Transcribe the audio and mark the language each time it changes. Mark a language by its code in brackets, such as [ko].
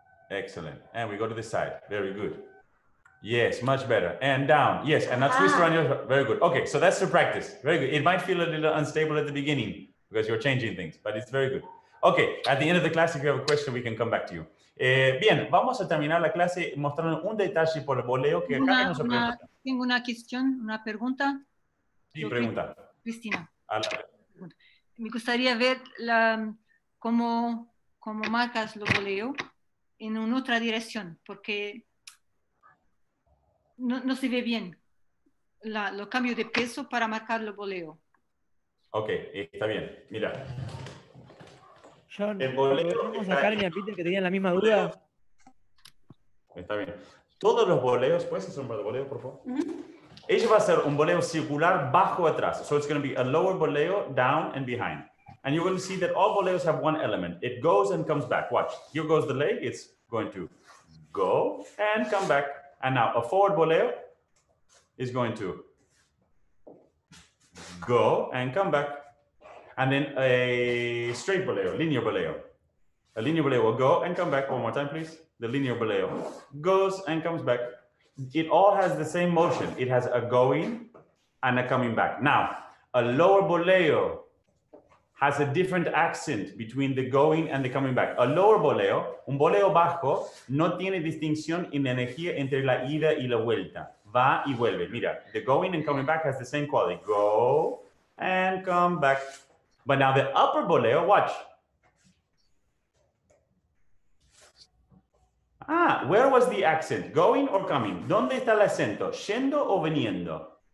[en] Excellent. And we go to the side. Very good. Yes, much better. And down. Yes, and now twist around your... Very good. Okay, so that's the practice. Very good. It might feel a little unstable at the beginning because you're changing things, but it's very good. Okay, at the end of the class, if you have a question, we can come back to you. [es] Bien, vamos a terminar la clase mostrando un detalle por el voleo que acá nos ha preguntado. Tengo una cuestión, una pregunta. Sí, pregunta. Cristina. Me gustaría ver cómo marcas el voleo en una otra dirección, porque... No se ve bien lo cambio de peso para marcar el voleo. Ok, está bien. Mira. John, el voleo. ¿Podemos sacar mi apita que tenían la misma duda? Está bien. Todos los voleos, ¿puedes hacer un voleo, por favor? Uh-huh. Ella va a hacer un voleo circular bajo atrás. [en] So it's going to be a lower voleo down and behind. And you're going to see that all voleos have one element. It goes and comes back. Watch. Here goes the leg. It's going to go and come back. And now a forward voleo is going to go and come back. And then a straight voleo, linear voleo. A linear voleo will go and come back. One more time, please. The linear voleo goes and comes back. It all has the same motion. It has a going and a coming back. Now, a lower voleo has a different accent between the going and the coming back. A lower voleo, [es] un voleo bajo, no tiene distinción en energía entre la ida y la vuelta. Va y vuelve. Mira, [en] the going and coming back has the same quality. Go and come back. But now the upper voleo, watch. Ah, where was the accent? Going or coming? [es] ¿Dónde está el acento? ¿Yendo o veniendo?